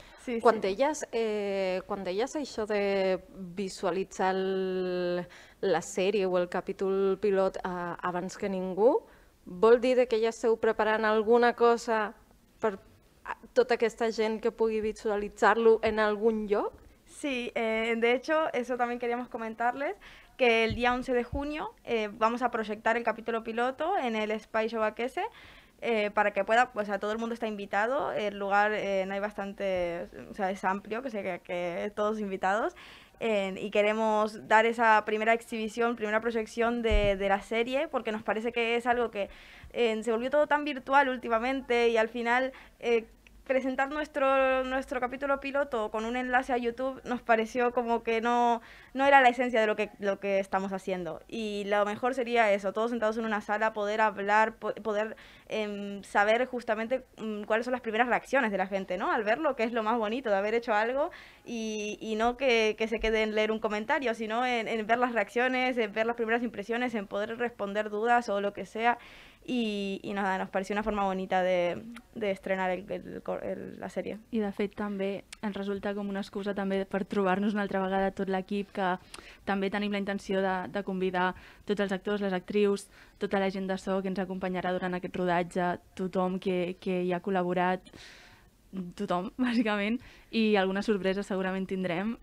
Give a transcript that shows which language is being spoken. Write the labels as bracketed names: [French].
[Catalan] Sí, quan, deies, quan deies això de visualitzar la sèrie o el capítol pilot abans que ningú, vol dir que ja esteu preparant alguna cosa per tota aquesta gent que pugui visualitzar-lo en algun lloc? [Spanish] Sí, de hecho, eso también queríamos comentarles, que el día 11 de junio vamos a proyectar el capítulo piloto en el Espai Jovaquese. Para que pueda, pues, a todo el mundo está invitado, el lugar no hay bastante, o sea, es amplio, que sé que todos invitados, y queremos dar esa primera exhibición, primera proyección de la serie, porque nos parece que es algo que se volvió todo tan virtual últimamente y al final presentar nuestro capítulo piloto con un enlace a YouTube nos pareció como que no era la esencia de lo que estamos haciendo. Y lo mejor sería eso, todos sentados en una sala, poder hablar, poder saber justamente cuáles son las primeras reacciones de la gente, ¿no? Al verlo, que es lo más bonito de haber hecho algo y no que se quede en leer un comentario, sino en ver las reacciones, en ver las primeras impresiones, en poder responder dudas o lo que sea. I nada, nos pareció una forma bonita [Catalan] d'estrenar la sèrie. I de fet també ens resulta com una excusa també per trobar-nos una altra vegada tot l'equip, que també tenim la intenció de convidar tots els actors, les actrius, tota la gent de so que ens acompanyarà durant aquest rodatge, tothom que hi ha col·laborat, tothom, bàsicament, i alguna sorpresa segurament tindrem.